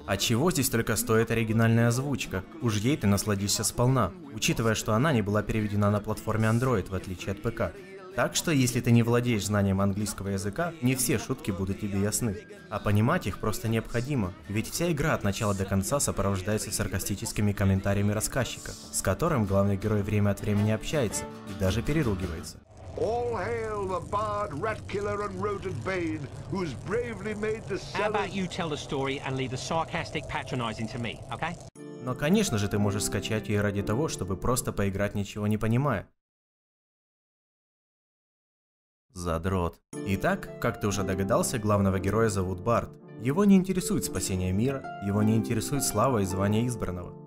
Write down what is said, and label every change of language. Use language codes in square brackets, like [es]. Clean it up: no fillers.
[ru] А чего здесь только стоит оригинальная озвучка? Уж ей ты насладишься сполна, учитывая, что она не была переведена на платформе Android, в отличие от ПК. Так что, если ты не владеешь знанием английского языка, не все шутки будут тебе ясны. А понимать их просто необходимо, ведь вся игра от начала до конца сопровождается саркастическими комментариями рассказчика, с которым главный герой время от времени общается и даже переругивается. [en] All hail the bard, rat killer and rodent bane, who's bravely made the cellar... How about you tell the story and leave the sarcastic patronizing to me, okay? [ru] Но, конечно же, ты можешь скачать ее ради того, чтобы просто поиграть, ничего не понимая. Задрот. Итак, как ты уже догадался, главного героя зовут Бард. Его не интересует спасение мира, его не интересует слава и звание избранного.